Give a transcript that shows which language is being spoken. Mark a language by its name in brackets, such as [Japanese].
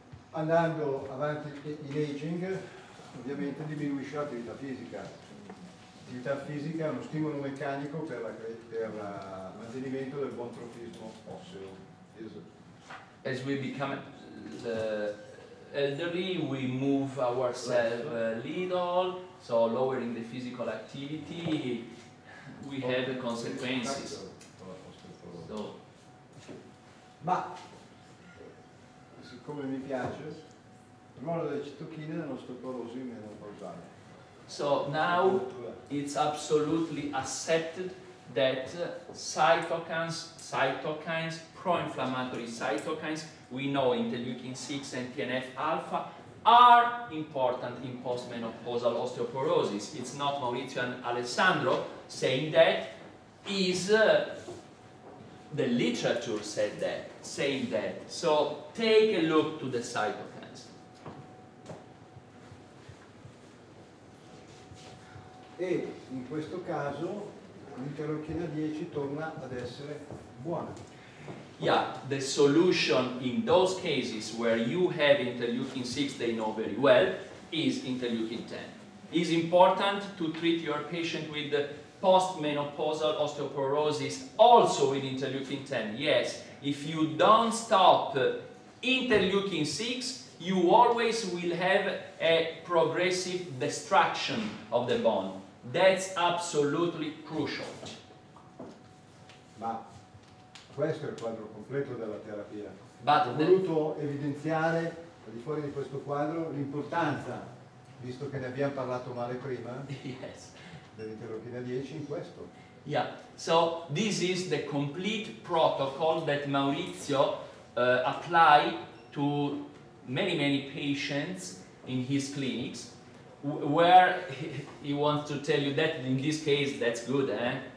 [Italian] Andando avanti in aging, ovviamente diminuisce l'attività fisica. L'attività fisica è uno stimolo meccanico per il mantenimento del buon trofismo osseo. [English] As we become the elderly, we move ourselves a little, so lowering the physical activity, we have the consequences. So. [Italian] Ma, siccome mi piace, il ruolo delle citochine nello osteoporosi meno causale. [English] So now it's absolutely accepted that cytokines, pro-inflammatory cytokines, we know interleukin 6 and TNF alpha are important in postmenopausal osteoporosis. It's not Maurizio and Alessandro saying that, is the literature said that, saying that. So take a look to the cytokines. [Italian] E in questo caso l'interleuchina 10 torna ad essere buona. [English] Yeah, the solution in those cases where you have interleukin 6 they know very well is interleukin 10. It's important to treat your patient with the postmenopausal osteoporosis also with interleukin 10. Yes, if you don't stop interleukin 6, you always will have a progressive destruction of the bone. That's absolutely crucial. [Italian] Ma questo è il quadro completo della terapia. [English] But [Italian] ho voluto evidenziare al di fuori di questo quadro l'importanza, visto che ne abbiamo parlato male prima, [English] yes, [Italian] dell'interleukina 10 in questo. [English] Yeah. So this is the complete protocol that Maurizio apply to many many patients in his clinics. Where he wants to tell you that in this case that's good, eh?